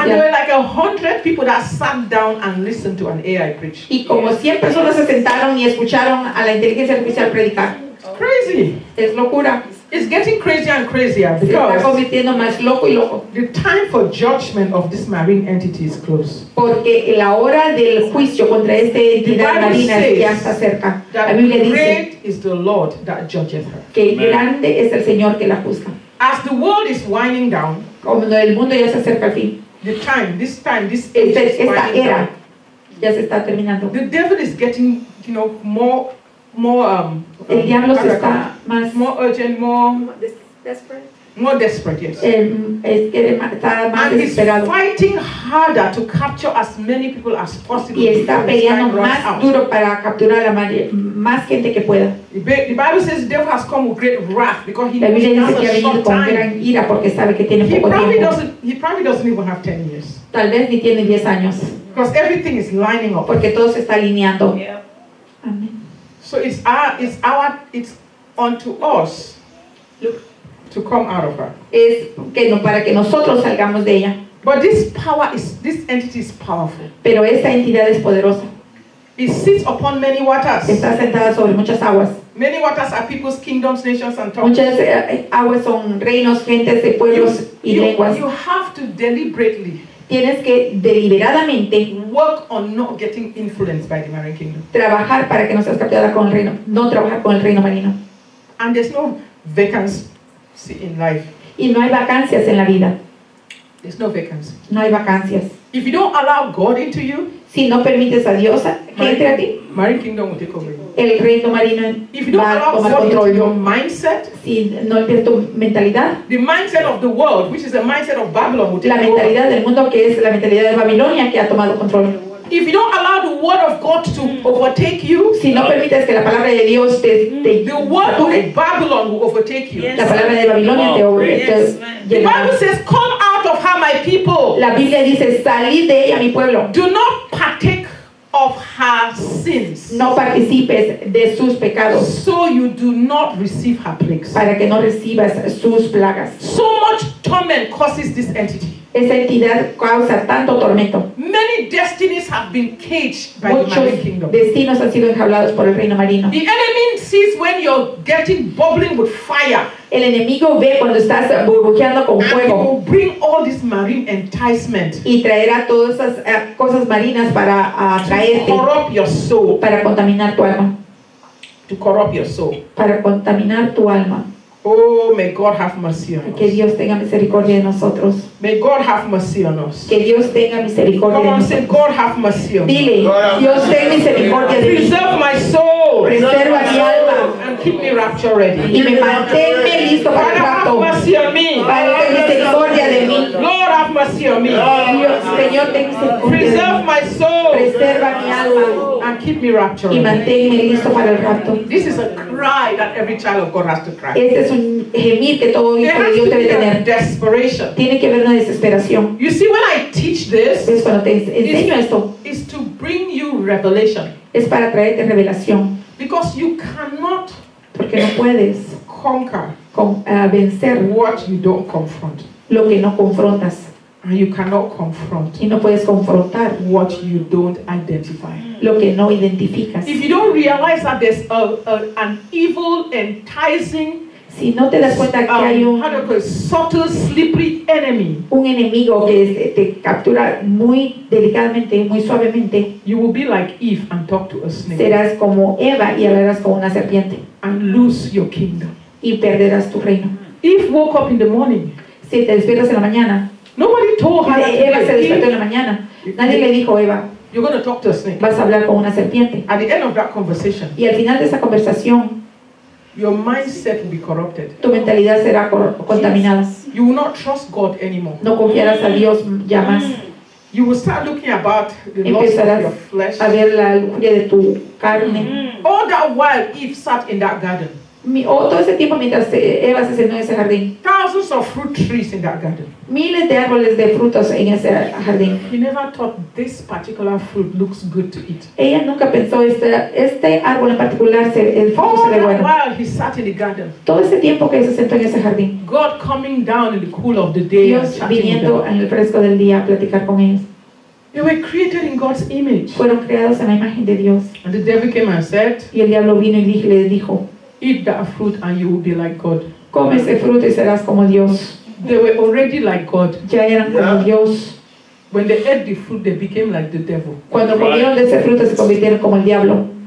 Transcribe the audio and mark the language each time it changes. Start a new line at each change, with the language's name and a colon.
English: And there were like 100 people that sat down and listened to an AI preach.
Spanish: Y como 100 personas se sentaron y escucharon a la inteligencia artificial predicar.
English: It's crazy.
Spanish: Es locura.
English: It's getting crazier and crazier because
Spanish: se está convirtiendo más loco y loco.
English: The time for judgment of this marine entity is close.
Spanish: Porque la hora del juicio contra esta entidad marina ya está cerca. La Biblia dice,
English: great is the Lord that judges her.
Spanish: Que grande es el Señor que la juzga.
English: As the world is winding down,
Spanish: cuando el mundo ya se acerca al fin, esta era ya se está terminando.
English: The devil is getting, you know, more
Spanish: el diablo se está más
English: more urgent, more desperate. More desperate, yes.
Spanish: Es que está más
English: and
Spanish: desesperado.
English: He's fighting harder to capture as many people as possible.
Spanish: Y está peleando más duro para capturar a la más gente que pueda.
English: The Bible says the devil has come with great wrath because he knows he has a short time.
Spanish: Con gran ira porque sabe que tiene poco tiempo.
English: He probably doesn't even have 10 years.
Spanish: Tal vez ni tiene 10 años.
English: Because everything is lining up.
Spanish: Porque todo se está alineando.
English: Yeah. Amen. So it's unto us. Look. To come out of her.
Spanish: Es que no, para que nosotros salgamos de ella.
English: But this entity is powerful.
Spanish: Pero esta entidad es poderosa.
English: It sits upon many waters.
Spanish: Está sentada sobre muchas aguas.
English: Many waters are people's kingdoms, nations, and tongues.
Spanish: Muchas aguas son reinos, gentes, de pueblos y lenguas.
English: You have to deliberately.
Spanish: Tienes que deliberadamente
English: work on not getting influenced by the marine kingdom.
Spanish: Trabajar para que no seas capturada con el reino, no trabajar con el reino marino.
English: And there's no vacancy. See, in life.
Spanish: Y no hay vacancias en la vida.
English: There's no vacancy.
Spanish: No hay vacancias.
English: If you don't allow God into you,
Spanish: si no permites a Dios que entre a ti,
English: marine kingdom will take over.
Spanish: El reino marino
English: if you don't
Spanish: va
English: allow
Spanish: a tomar
English: God
Spanish: control.
English: Into your mindset,
Spanish: si no empieza tu mentalidad,
English: the mindset of the world, which is the mindset of Babylon, will take over.
Spanish: La mentalidad del mundo que es la mentalidad de Babilonia que ha tomado control.
English: If you don't allow the word of God to overtake you,
Spanish: si no permites que la palabra de Dios te
English: the word of Babylon will overtake you.
Spanish: La palabra de Babilonia te
English: overtake. The Bible says, "Come out of her, my people."
Spanish: La Biblia dice, "Salid de ella, mi pueblo."
English: Do not partake of her sins.
Spanish: No participes de sus pecados.
English: So you do not receive her plagues.
Spanish: Para que no recibas sus plagas.
English: So much torment causes this entity.
Spanish: Esa entidad causa tanto tormento.
English: Many destinies have been caged by
Spanish: muchos
English: the kingdom.
Spanish: Destinos han sido enjaulados por el reino marino.
English: The enemy sees when you're getting bubbling with fire.
Spanish: El enemigo ve cuando estás burbujeando con
English: and
Spanish: fuego.
English: Will bring all this marine enticement.
Spanish: Y traerá todas esas cosas marinas para atraerte.
English: Corrupt your soul.
Spanish: Para contaminar tu alma.
English: To corrupt your soul.
Spanish: Para contaminar tu alma.
English: Oh, may God have mercy on us.
Spanish: Que Dios tenga misericordia de nosotros.
English: May God have mercy on us.
Spanish: Que Dios tenga misericordia
English: Come on, say, God have mercy on us.
Spanish: Dile, Dios ten misericordia de mí.
English: Preserve my soul.
Spanish: Preserva mi alma.
English: And keep me rapture ready.
Spanish: Y me mantenme listo para el rapto.
English: Have mercy on me.
Spanish: Para que misericordia de mí.
English: Lord have mercy on me.
Spanish: Dios, Señor ten misericordia.
English: Preserve my soul.
Spanish: Preserva mi alma.
English: And keep me rapture ready.
Spanish: Y mantenme listo para el rapto.
English: This is a cry that every child of God has to cry.
Spanish: Es un gemir que todo hijo de Dios debe tener. Tiene que haber una desesperación.
English: You see, when I teach this,
Spanish: es cuando te enseño esto.
English: Is to bring you revelation.
Spanish: Es para traerte revelación.
English: Because you cannot
Spanish: porque no puedes
English: conquer
Spanish: vencer
English: what you don't confront.
Spanish: Lo que no confrontas.
English: And you cannot confront
Spanish: y no puedes confrontar
English: what you don't identify.
Spanish: Lo que no identificas.
English: If you don't realize that there's an evil enticing
Spanish: si no te das cuenta que hay un
English: subtle, slippery enemy,
Spanish: un enemigo que te captura muy delicadamente, muy suavemente,
English: you will be like Eve and talk to a snake.
Spanish: Serás como Eva y hablarás con una serpiente.
English: And lose your kingdom.
Spanish: Y perderás tu reino.
English: Eve woke up in the morning.
Spanish: Si te despiertas en la mañana.
English: Nobody told her that
Spanish: Eva se despertó en la mañana. Nadie le dijo Eva.
English: You're going to talk to a snake.
Spanish: Vas a hablar con una serpiente.
English: At the end of that conversation.
Spanish: Y al final de esa conversación.
English: Your mindset will be corrupted.
Spanish: Tu mentalidad será contaminada.
English: You will not trust God anymore.
Spanish: No confiarás a Dios ya más.
English: You will start looking about the
Spanish: empezarás
English: loss of your flesh.
Spanish: A ver la lujuria de tu carne.
English: All that while Eve sat in that garden.
Spanish: Todo ese tiempo mientras Eva se sentó en ese jardín.
English: Thousands of fruit trees in that garden.
Spanish: Miles de árboles de frutos en ese jardín.
English: He never thought this particular fruit looks good to eat.
Spanish: Ella nunca pensó este árbol en particular el fruto se ve bueno.
English: All that while he sat in the garden.
Spanish: Todo ese tiempo que se sentó en ese jardín.
English: God coming down in the cool of the day.
Spanish: Dios viniendo en el fresco del día a platicar con ellos.
English: They were created in God's image.
Spanish: Fueron creados en la imagen de Dios.
English: And the devil came and said.
Spanish: Y el diablo vino y le dijo.
English: Eat that fruit and you will be like God.
Spanish: Come ese fruto y serás como Dios.
English: They were already like God.
Spanish: Ya eran como Dios.
English: When they ate the fruit, they became like the devil.
Spanish: Cuando comieron de ese fruto se convirtieron como el diablo.